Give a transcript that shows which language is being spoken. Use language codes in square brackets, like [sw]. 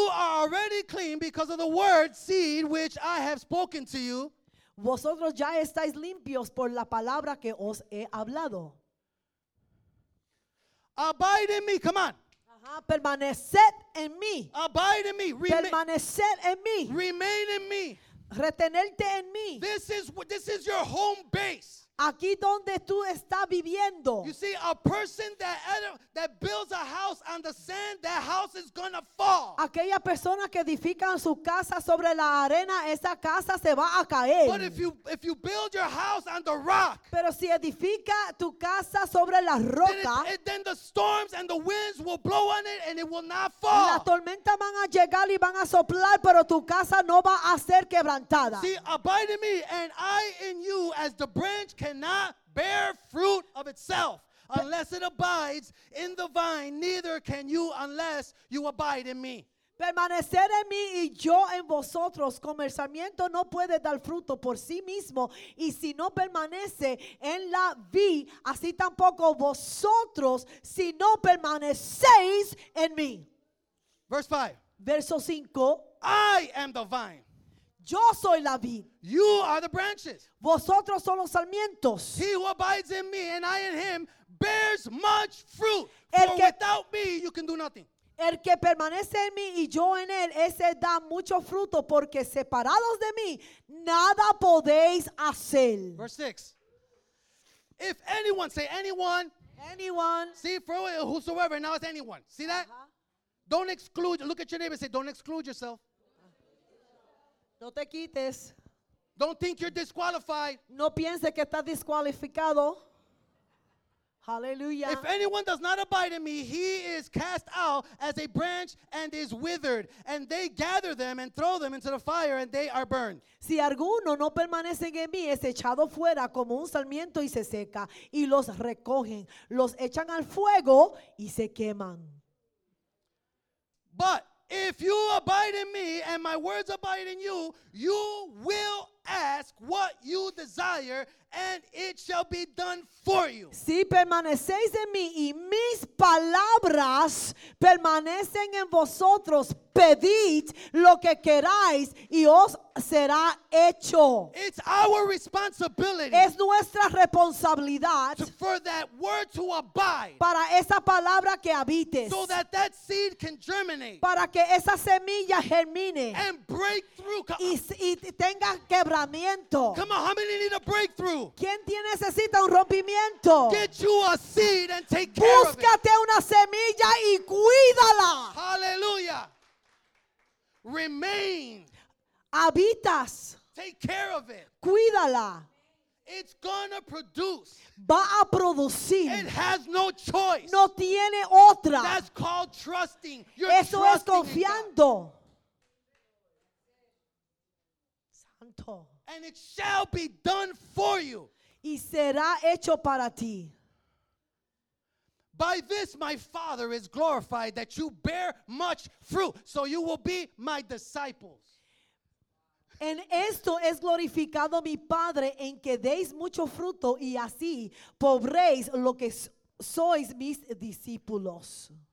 [en] are already clean because of the word seed which I have spoken to you. [es] Vosotros ya estáis limpios por la palabra que os he hablado. [en] Abide in me, come on. [es] Permaneced en mí. [en] Abide in me. [es] Permaneced en mí. [en] Remain in me. [es] Retenerte en mí. [en] This is your home base. [es] Aquí donde tú estás viviendo. [en] You see, a person that builds a house on the sand, that house is going to fall. [es] Aquella persona que edifica su casa sobre la arena, esa casa se va a caer. [en] But if you build your house on the rock, [es] pero si edifica tu casa sobre la roca, [en] then the storms and the winds will blow on it and it will not fall. [es] La tormenta van a llegar y van a soplar, pero tu casa no va a ser quebrantada. [en] See, abide in me and I in you as the branch cannot bear fruit of itself unless it abides in the vine, neither can you unless you abide in me. [es] Permanecer en mí y yo en vosotros, como el sarmiento no puede dar fruto por sí mismo, y si no permanece en la vid, así tampoco vosotros si no permanecéis en mí. [en] Verso 5. I am the vine. [es] Yo soy la vid. [en] You are the branches. [es] Vosotros son los sarmientos. [en] He who abides in me and I in him bears much fruit. For without me you can do nothing. [es] El que permanece en mí y yo en él, ese da mucho fruto, porque separados de mí nada podéis hacer. [en] Verse 6. If anyone, say anyone. Anyone. See, for whosoever, now it's anyone. See that? Uh-huh. Don't exclude, look at your neighbor and say, don't exclude yourself. [es] No te quites. [en] Don't think you're disqualified. [es] No pienses que estás disqualificado. [en] Hallelujah. If anyone does not abide in me, he is cast out as a branch and is withered, and they gather them and throw them into the fire and they are burned. [es] Si alguno no permanece en mí, es echado fuera como un sarmiento y se seca, y los recogen, los echan al fuego y se queman. [en] But if you abide in me and my words abide in you, you will ask what you desire and it shall be done for you. [es] Si permanecéis en mí y mis palabras permanecen en vosotros, pedid lo que queráis y os será hecho. [en] It's our responsibility. [es] Es nuestra responsabilidad [en] for that word to abide. [es] Para esa palabra que habite. [en] So that seed can germinate. [es] Para que esa semilla germine. [en] And break through. [es] Y tenga quebramiento. [en] Come on, how many need a breakthrough? [es] ¿Quién necesita un rompimiento? [en] Get you a seed and take care [es] Búscate [en] of it. [es] Búscate una semilla y cuídala. [en] Hallelujah. Remain. [es] Habitas. [en] Take care of it. [es] Cuídala. [en] It's gonna produce. [es] Va a producir. [en] It has no choice. [es] No tiene otra. [en] That's called trusting. You're [es] Eso [en] trusting [es] es confiando. Santo. [en] And it shall be done for you. [es] Y será hecho para ti. [en] By this my Father is glorified that you bear much fruit, so you will be my disciples. [es] En esto es glorificado mi Padre, en que deis mucho fruto y así podréis lo que sois mis discípulos.